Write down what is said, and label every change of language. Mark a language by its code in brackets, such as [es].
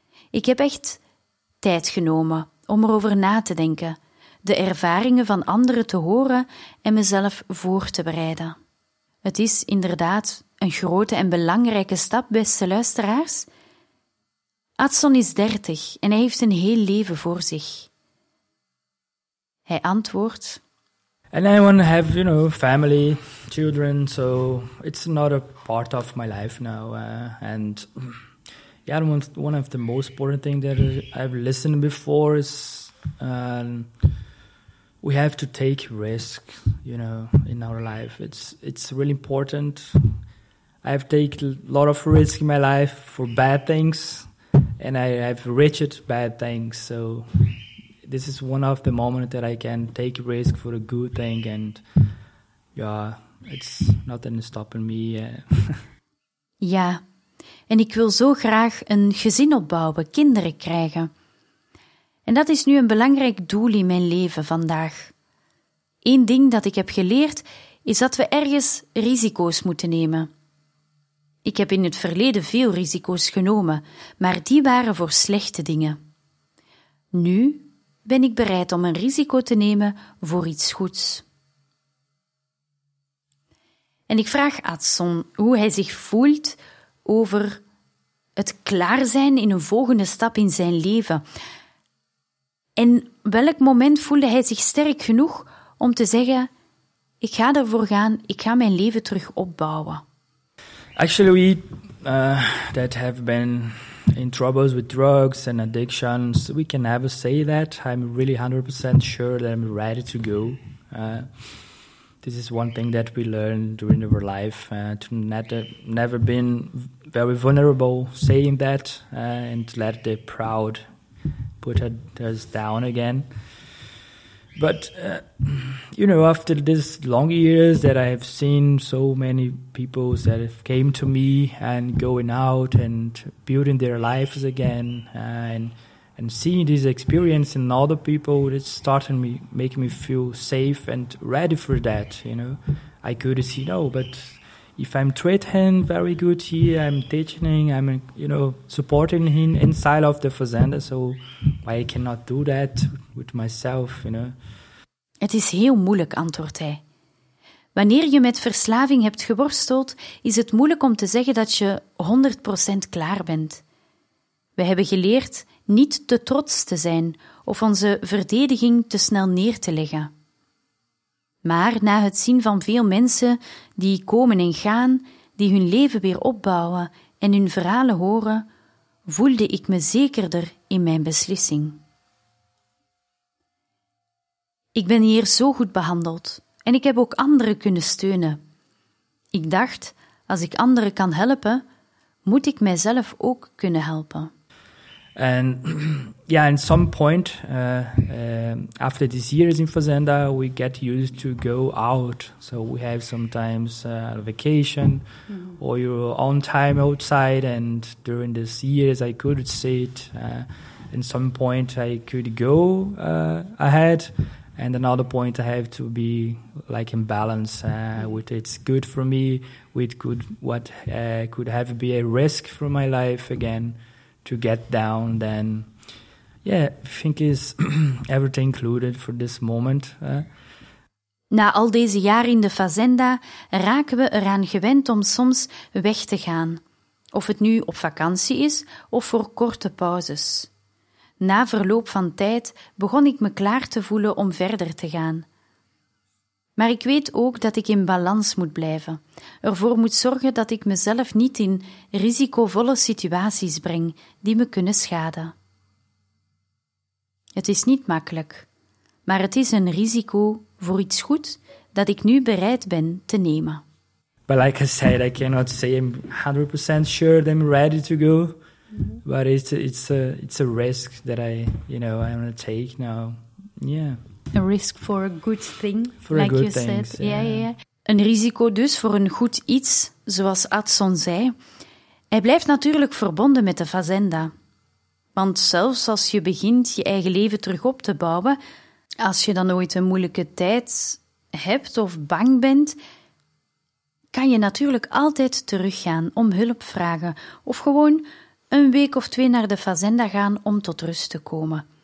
[nl] Ik heb echt tijd genomen om erover na te denken, de ervaringen van anderen te horen en mezelf voor te bereiden. Het is inderdaad een grote en belangrijke stap, beste luisteraars. Adson is 30 en hij heeft een heel leven voor zich. Hij antwoordt. [en] And I want to have, you know, family, children, so it's not a part of my life now. And yeah, one of the most important things that I've listened before is we have to take risk, you know, in our life. It's really important. I've taken a lot of risk in my life for bad things, and I have reached bad things, so this is one of the moments that I can take risk for a good thing, and yeah, it's nothing stopping me. [nl] Ja, en ik wil zo graag een gezin opbouwen, kinderen krijgen. En dat is nu een belangrijk doel in mijn leven vandaag. Eén ding dat ik heb geleerd, is dat we ergens risico's moeten nemen. Ik heb in het verleden veel risico's genomen, maar die waren voor slechte dingen. Nu ben ik bereid om een risico te nemen voor iets goeds. En ik vraag Adson hoe hij zich voelt over het klaar zijn in een volgende stap in zijn leven. En welk moment voelde hij zich sterk genoeg om te zeggen, ik ga ervoor gaan, ik ga mijn leven terug opbouwen. [en] Actually, we that have been in troubles with drugs and addictions, we can never say that. I'm really 100% sure that I'm ready to go. This is one thing that we learn during our life, to never been very vulnerable saying that and let the proud put us down again. But, you know, after these long years that I have seen so many people that have came to me and going out and building their lives again and seeing this experience in other people, it's starting to make me feel safe and ready for that, you know. I could see, no, but if I'm treating very good here, I'm teaching, I'm, you know, supporting him inside of the Fazenda, so why I cannot do that with myself, you know. [nl] Het is heel moeilijk, antwoordt hij. Wanneer je met verslaving hebt geworsteld, is het moeilijk om te zeggen dat je 100% klaar bent. We hebben geleerd niet te trots te zijn of onze verdediging te snel neer te leggen. Maar na het zien van veel mensen die komen en gaan, die hun leven weer opbouwen en hun verhalen horen, voelde ik me zekerder in mijn beslissing. Ik ben hier zo goed behandeld en ik heb ook anderen kunnen steunen. Ik dacht, als ik anderen kan helpen, moet ik mijzelf ook kunnen helpen. [en] And yeah, at some point after these years in Fazenda, we get used to go out. So we have sometimes vacation or your own time outside. And during these years, I could sit. At some point, I could go ahead. And another point, I have to be like in balance with it's good for me, with good what could have be a risk for my life again. To get down, then, yeah, I think is everything included for this moment. [nl] Na al deze jaren in de Fazenda raken we eraan gewend om soms weg te gaan, Of het nu op vakantie is of voor korte pauzes. Na verloop van tijd begon ik me klaar te voelen om verder te gaan. Maar ik weet ook dat ik in balans moet blijven. Ervoor moet zorgen dat ik mezelf niet in risicovolle situaties breng die me kunnen schaden. Het is niet makkelijk, maar het is een risico voor iets goed dat ik nu bereid ben te nemen. [en] But like I said, I cannot say I'm 100% sure that I'm ready to go. Mm-hmm. But it's a risk that I want to take now. Yeah. A risk for a good thing, for like good you things, said. Yeah. [nl] Een risico dus voor een goed iets, zoals Adson zei. Hij blijft natuurlijk verbonden met de fazenda. Want zelfs als je begint je eigen leven terug op te bouwen, als je dan ooit een moeilijke tijd hebt of bang bent, kan je natuurlijk altijd teruggaan om hulp vragen of gewoon een week of twee naar de fazenda gaan om tot rust te komen.